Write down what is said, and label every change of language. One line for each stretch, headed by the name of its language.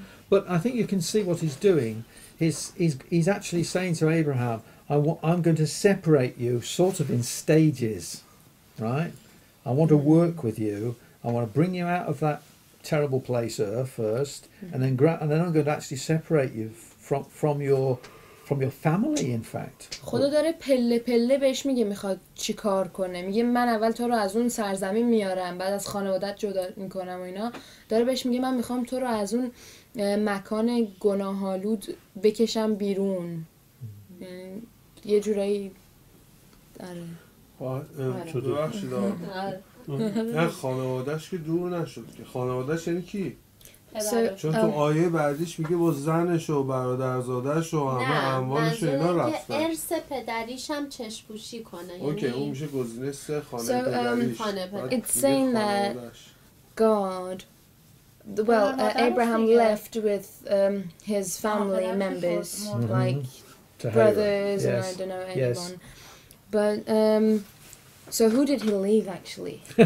English: But I think you can see what he's doing. He's actually saying to Abraham, I'm going to separate you, sort of in stages, right? I want to work with you. I want to bring you out of that terrible place, Ur, first, and then I'm going to actually separate you from your family, in fact.
Persian: خدا داره پله پله بهش میگه میخواد چی کار کنه. میگه من اول تو رو از اون سرزمین میارم، بعد از خانوادت جدا میکنم و اینا. داره بهش میگه من میخوام تو رو از اون مکان گناهالود بکشم بیرون. یه جورایی داره. نه خانوادش که دور نشد که خانوادش یعنی کی؟ چون تو آیه بعدیش میگه با زنش و برادرزادش و همه اموالش اینا رفتن. نه ارث پدریش هم چشپوشی کنه. اوکی اون میشه گزینه سه خانه پدریش.
English: It's saying that God, well, Abraham left with his family members, like brothers and I don't know anyone, but So who did he leave actually?